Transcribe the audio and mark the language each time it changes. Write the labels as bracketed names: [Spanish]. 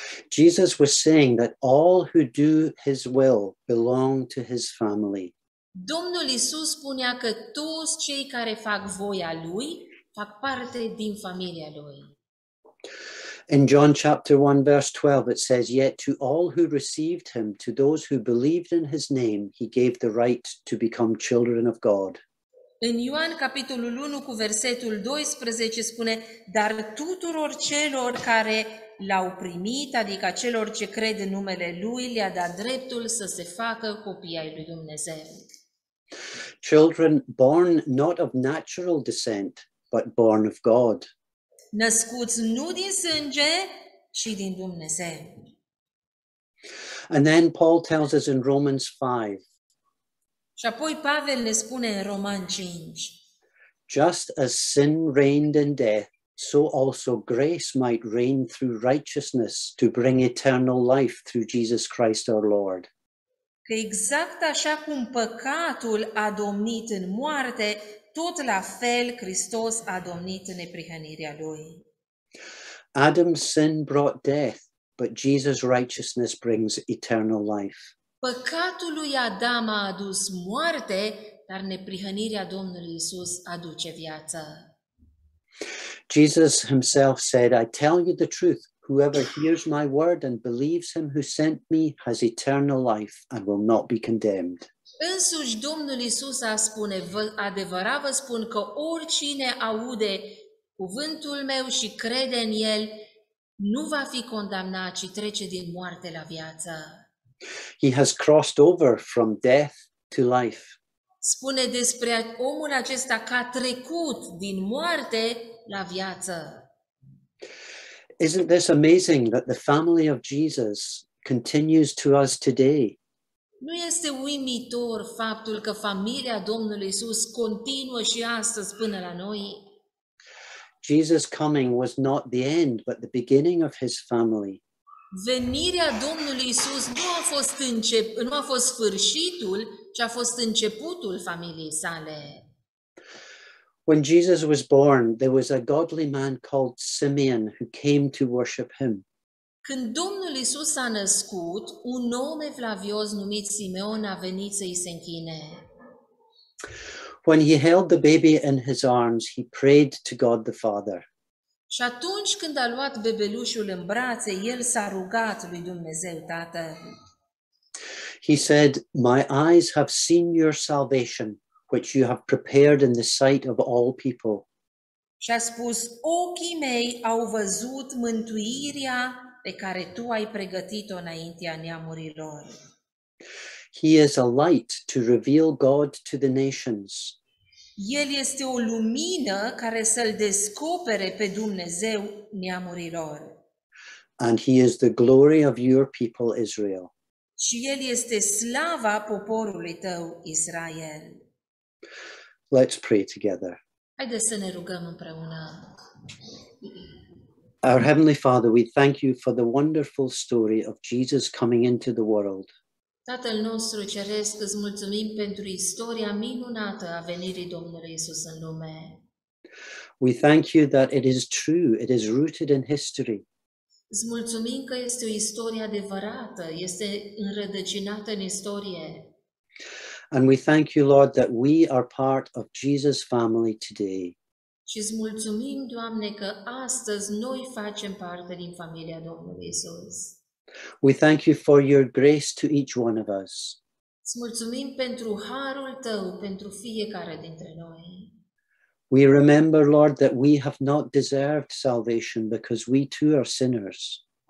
[English] Jesus was saying that all who do his will belong to his family. [Romanian] Domnul Iisus spunea că toți cei care fac voia lui fac parte din familia lui. [English] In John chapter 1 verse 12 it says, yet to all who received him, to those who believed in his name, he gave the right to become children of God. [Romanian] În Ioan capitolul 1 cu versetul 12 spune, dar tuturor celor care l-au primit, adică celor ce cred în numele lui, le-a dat dreptul să se facă copii ai lui Dumnezeu. [English] Children born not of natural descent, but born of God. [Romanian] Născuți nu din sânge, ci din Dumnezeu. [English] And then Paul tells us in Romans 5. [Romanian] Și apoi Pavel ne spune în Roman 5. [English] Just as sin reigned in death, so also grace might reign through righteousness to bring eternal life through Jesus Christ our Lord. [Romanian] Că exact așa cum păcatul a domnit în moarte, tot la fel, Hristos a domnit în neprihănirea lui. [English] Adam's sin brought death, but Jesus' righteousness brings eternal life. [Romanian] Păcatul lui Adam a adus moarte, dar neprihănirea Domnului Iisus aduce viață. [English] Jesus himself said, I tell you the truth, whoever hears my word and believes him who sent me has eternal life and will not be condemned. [Romanian] Însuși Domnul Iisus a spune, adevărat vă spun că oricine aude cuvântul meu și crede în el, nu va fi condamnat, ci trece din moarte la viață. [English] He has crossed over from death to life. [Romanian] Spune despre omul acesta că a trecut din moarte la viață. [English] Isn't this amazing that the family of Jesus continues to us today? [Romanian] Nu este uimitor faptul că familia Domnului Iisus continuă și astăzi până la noi? [English] Jesus' coming was not the end, but the beginning of his family. [Romanian] Venirea Domnului Iisus nu a fost sfârșitul, ci a fost începutul familiei sale. [English] When Jesus was born, there was a godly man called Simeon who came to worship him. [Romanian] Când Domnul Iisus a născut, un om evlavios numit Simeon a venit să-i se închine. [English] When he held the baby in his arms, he prayed to God the Father. [Romanian] Și atunci când a luat bebelușul în brațe, el s-a rugat lui Dumnezeu Tată. [English] He said, "My eyes have seen your salvation, which you have prepared in the sight of all people." [Romanian] Și a spus, "Ochii mei au văzut mântuirea pe care tu ai pregătit-o înaintea neamurilor." [English] He is a light to reveal God to the nations. [Romanian] El este o lumină care să-l descopere pe Dumnezeu neamurilor. [English] And he is the glory of your people Israel. [Romanian] Și el este slava poporului tău Israel. [English] Let's pray together. [Romanian] Haideți să ne rugăm împreună. [English] Our heavenly Father, we thank you for the wonderful story of Jesus coming into the world. [Romanian] Tatăl nostru ceresc, îți mulțumim pentru istoria minunată a venirii Domnului Iisus în lume. [English] We thank you that it is true, it is rooted in history. [Romanian] Îți mulțumim că este o istorie adevărată, este înrădăcinată în istorie. [English] And we thank you, Lord, that we are part of Jesus' family today. [Romanian] Și îți mulțumim, Doamne, că astăzi noi facem parte din familia Domnului Iisus. [English] We thank you for your grace to each one of us. [Romanian] Îți mulțumim pentru harul tău pentru fiecare dintre noi. [English] We remember, Lord, that we have not deserved salvation because we too are sinners.